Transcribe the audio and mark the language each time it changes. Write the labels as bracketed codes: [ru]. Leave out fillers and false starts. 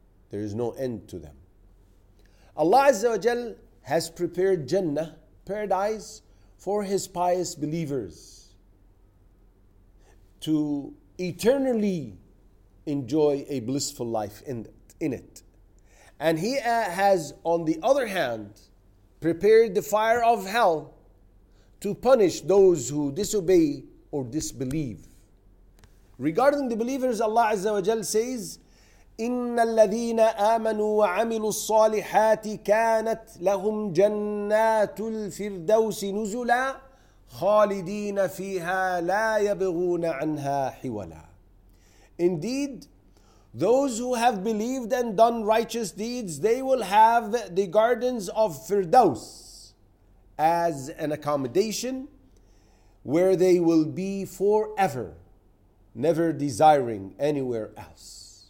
[en] There is no end to them. Allah Azza wa Jal has prepared Jannah, paradise, for His pious believers to eternally enjoy a blissful life in it. And He has, on the other hand, prepared the fire of hell to punish those who disobey or disbelieve. Regarding the believers, Allah Azza wa Jal says, [ar] إِنَّ الَّذِينَ آمَنُوا وَعَمِلُوا الصَّالِحَاتِ كَانَتْ لَهُمْ جَنَّاتُ الْفِرْدَوْسِ نُزُلًا خَالِدِينَ فِيهَا لَا يَبْغُونَ عَنْهَا حِوَلًا. [en] Indeed, those who have believed and done righteous deeds, they will have the gardens of Firdaus as an accommodation where they will be forever, never desiring anywhere else.